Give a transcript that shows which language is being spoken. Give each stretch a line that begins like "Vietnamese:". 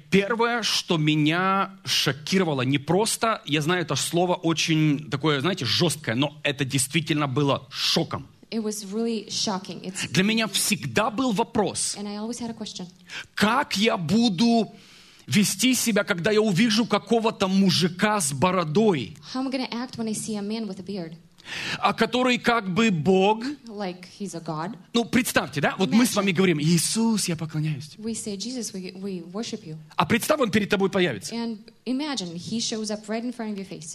Russian: Первое, что меня шокировало, не просто, я знаю, это слово очень такое, знаете, жесткое, но это действительно было шоком.
English: It was really shocking. It's...
Russian: Для меня всегда был вопрос.
English: And I always had a question.
Russian: Как я буду вести себя, когда я увижу какого-то мужика с бородой?
English: How am I gonna act when I see a man with a beard?
Russian: А который как бы Бог.
English: Like he's a God.
Russian: Ну, представьте, да? Вот
English: Imagine.
Russian: Мы с вами говорим, Иисус, я поклоняюсь.
English: We say, Jesus, we worship you.
Russian: А представь, он перед тобой появится.
English: And imagine, he shows up right in front of your face.